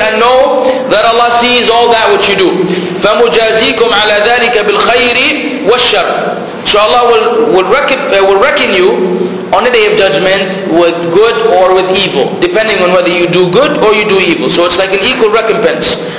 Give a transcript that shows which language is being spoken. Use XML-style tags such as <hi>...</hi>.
<en>And know that Allah sees all that which you do.</en> <ar>فمجازيكم على ذلك بالخير والشر.</ar> <en>So Allah will reckon you on the day of judgment with good or with evil, depending on whether you do good or you do evil. So it's like an equal recompense.</en>